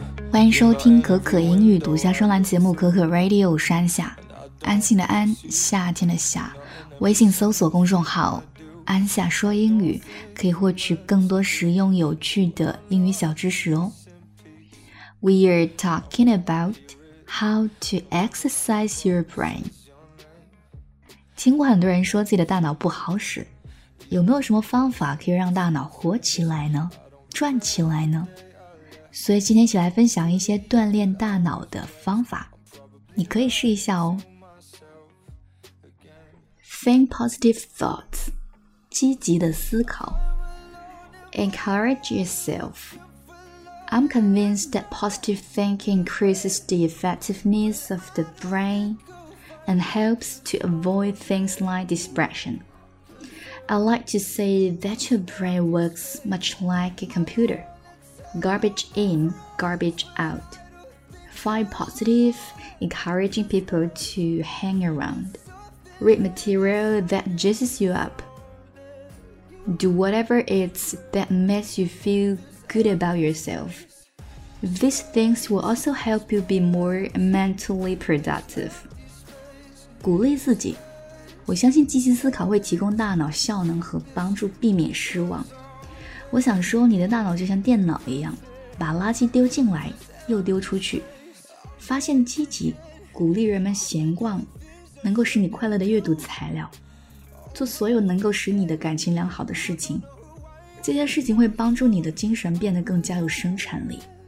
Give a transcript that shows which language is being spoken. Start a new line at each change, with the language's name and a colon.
Chinese: 欢迎收听可可英语独家专栏节目可可 Radio 山下，安心的安，夏天的夏。微信搜索公众号安夏说英语，可以获取更多实用有趣的英语小知识哦。
English: We are talking about how to exercise your brain。
Chinese: 听过很多人说自己的大脑不好使，有没有什么方法可以让大脑活起来呢，转起来呢？所以今天一起来分享一些锻炼大脑的方法，你可以试一下哦。
English: Think positive thoughts，
Chinese: 积极的思考。
English: Encourage yourself。 I'm convinced that positive thinking increases the effectiveness of the brainAnd helps to avoid things like depression. I like to say that your brain works much like a computer. Garbage in, garbage out. Find positive, encouraging people to hang around. Read material that juices you up. Do whatever it's that makes you feel good about yourself. These things will also help you be more mentally productive.
Chinese: 鼓励自己，我相信积极思考会提供大脑效能和帮助避免失望。我想说，你的大脑就像电脑一样，把垃圾丢进来又丢出去。发现积极，鼓励人们闲逛，能够使你快乐的阅读材料，做所有能够使你的感情良好的事情，这些事情会帮助你的精神变得更加有生产力。